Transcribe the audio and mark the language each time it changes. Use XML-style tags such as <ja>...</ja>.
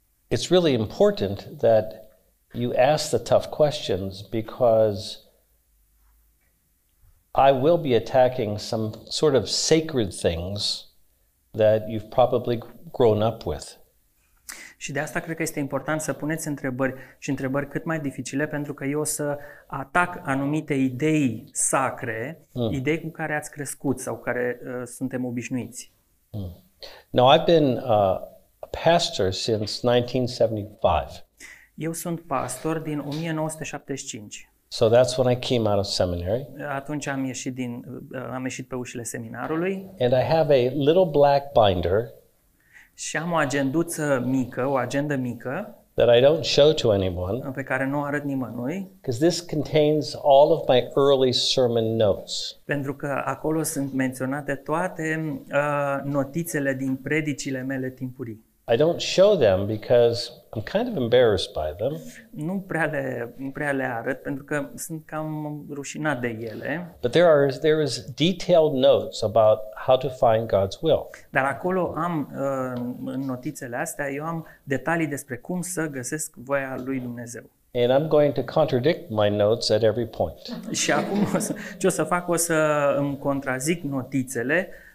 <en>it's really important that you ask the tough questions, because I will be attacking some sort of sacred things that you've probably grown up with.</en> <ro>Și de asta cred că este important să puneți întrebări, și întrebări cât mai dificile, pentru că eu o să atac anumite idei sacre, idei cu care ați crescut sau cu care suntem obișnuiți.</ro> <en>Now, I've been a pastor since 1975.</en> <ro>Eu sunt pastor din 1975.</ro> <en>So that's when I came out of seminary.</en> <ro>Atunci am ieșit din am ieșit pe ușile seminarului.</ro> <en>And I have a little black binder.</en> <ro>Și am o agenduță mică, o agendă mică.</ro> <en>That I don't show to anyone.</en> <ro>Pe care nu o arăt nimănui.</ro> <en>Because this contains all of my early sermon notes.</en> <ro>Pentru că acolo sunt menționate toate notițele din predicile mele timpurii.</ro> <en>I don't show them because I'm kind of embarrassed by them.</en> <ro>Nu prea le arăt pentru că sunt cam rușinat de ele.</ro> <en>But there is detailed notes about how to find God's will.</en> <ro>Dar acolo am în notițele astea, eu am detalii despre cum să găsesc voia lui Dumnezeu.</ro> <en>And I'm going to contradict my notes at every point.</en> <ro>Și acum ce o să fac? O să îmi contrazic notițele.</ro>